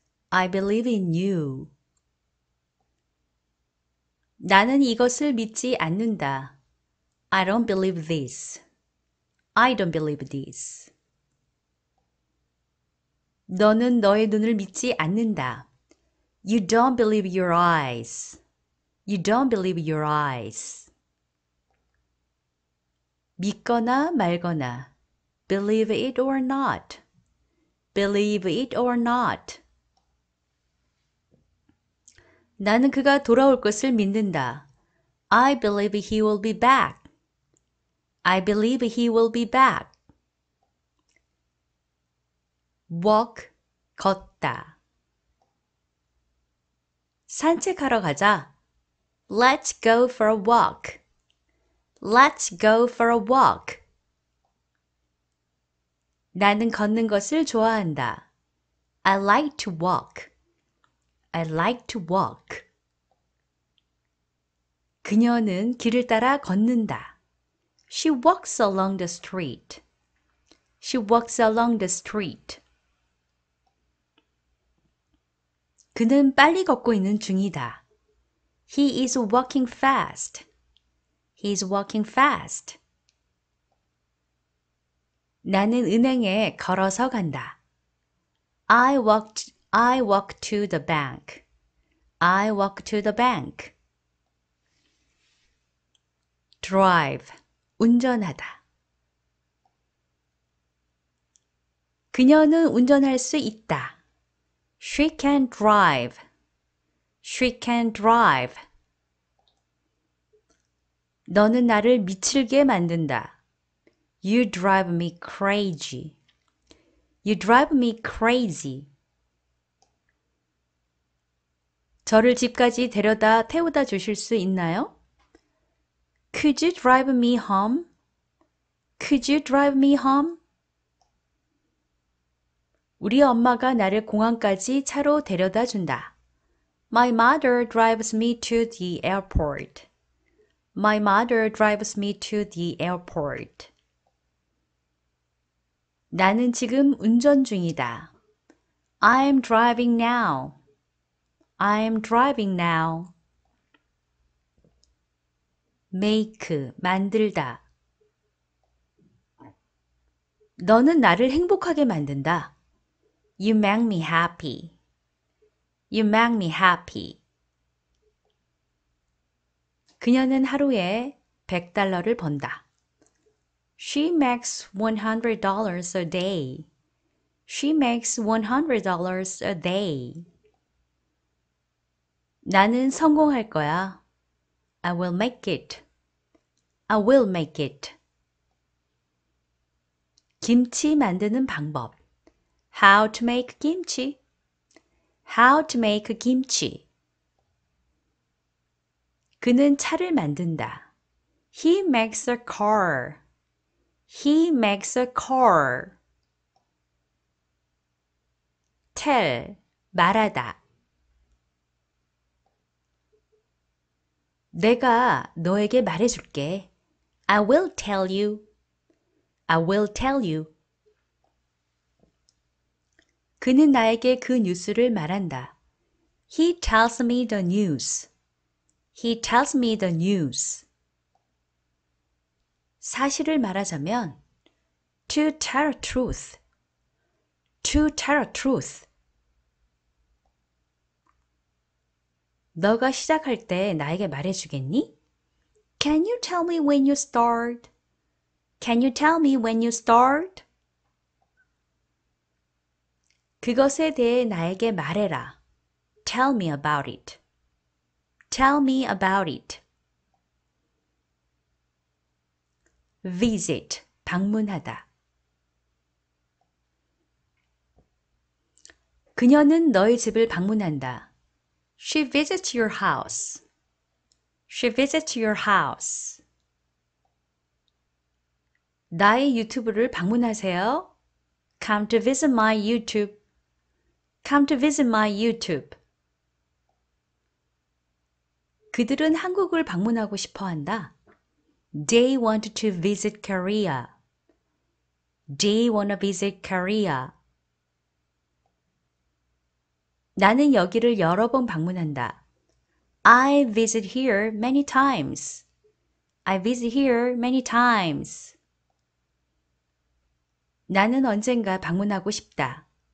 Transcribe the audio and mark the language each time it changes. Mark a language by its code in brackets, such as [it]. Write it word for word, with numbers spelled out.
[en] I believe in you. [ko] 나는 이것을 믿지 않는다. [en] I don't believe this. I don't believe this. [ko] 너는 너의 눈을 믿지 않는다. [en] You don't believe your eyes. You don't believe your eyes. [ko] 믿거나 말거나. [en] Believe it or not. Believe it or not. [ko] 나는 그가 돌아올 것을 믿는다. [en] I believe he will be back. I believe he will be back. [ko] walk, 걷다. 산책하러 가자. [en] Let's go for a walk. Let's go for a walk. [ko] 나는 걷는 것을 좋아한다. [en] I like to walk. I like to walk. [ko] 그녀는 길을 따라 걷는다. [en] She walks along the street. She walks along the street. [ko] 그는 빨리 걷고 있는 중이다. [en] He is walking fast. He is walking fast. [ko] 나는 은행에 걸어서 간다. [en] I walked, I walk to the bank. I walk to the bank. [ko] drive, 운전하다. 그녀는 운전할 수 있다. [en] She can drive. She can drive. [ko] 너는 나를 미칠게 만든다. [en] You drive me crazy. You drive me crazy. [ko] 저를 집까지 데려다 태우다 주실 수 있나요? [en] Could you drive me home? Could you drive me home? [ko] 우리 엄마가 나를 공항까지 차로 데려다 준다. [en] My mother drives me to the airport. My mother drives me to the airport. [ko] 나는 지금 운전 중이다. [en] I'm driving now. I'm driving now. [ko] make, 만들다. 너는 나를 행복하게 만든다. [en] You make me happy. You make me happy. [ko] 그녀는 하루에 백 달러를 번다. [en] She makes one hundred dollars a day. She makes one hundred dollars a day. [ko] 나는 성공할 거야. [en] I will make it. I will make it. [ko] 김치 만드는 방법. [en] How to make kimchi. How to make kimchi. [ko] 그는 차를 만든다. [en] He makes a car. He makes a car. [ko] tell, 말하다. 내가 너에게 말해줄게. [en] I will tell you. I will tell you. [ko] 그는 나에게 그 뉴스를 말한다. [en] He tells me the news. He tells me the news. [ko] 사실을 말하자면 [en] to tell truth, to tell truth. [ko] 너가 시작할 때 나에게 말해주겠니? [en] Can you tell me when you start? Can you tell me when you start? [ko] 그것에 대해 나에게 말해라. [en] Tell me about it. Tell me about it. [ko] visit, 방문하다. 그녀는 너의 집을 방문한다. [en] She visits your house. She visits your house. [ko] 나의 유튜브를 방문하세요. [en] Come to visit my YouTube. Come to visit my YouTube. [ko] 그들은 한국을 방문하고 싶어 한다. [en] They want to visit Korea. They want to visit Korea. [ko] 나는 여기를 여러 번 방문한다. [en] I visit here many times. I visit here many times. [ko] 나는 언젠가 방문하고 싶다.